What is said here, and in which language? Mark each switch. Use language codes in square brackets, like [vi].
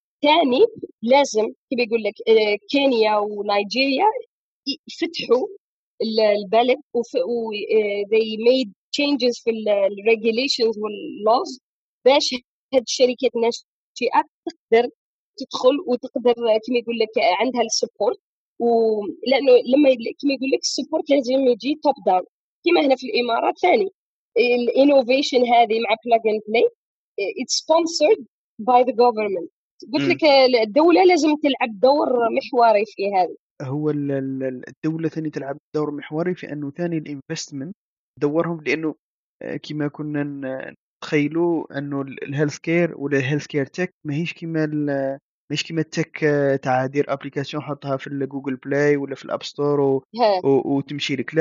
[ar] ثاني لازم كما يقول لك كينيا ونيجيريا يفتحوا البلد [en] they made changes [ar] في الregulations واللوز باش هاد الشركات الناشئة تقدر تدخل وتقدر كما يقول لك عندها السبورت. ولأنه لما كما يقول لك السبورت لازم يجي [en] top down [ar] كما هنا في الإمارات. ثاني الانوفيشن هذه مع plug and play [en] it's sponsored by the government. [ar] قلت لك الدولة لازم تلعب دور محوري في هذا. هو الدولة ثاني تلعب دور محوري في أنه ثاني الانفستمنت دورهم، لأنه كما كنا نتخيلوا أنه الهيلثكير ولا الهيلثكير تك ماهيش كما التك تاع دير أبليكاسيون حطها في الجوجل بلاي ولا في الأب ستور وتمشي لك.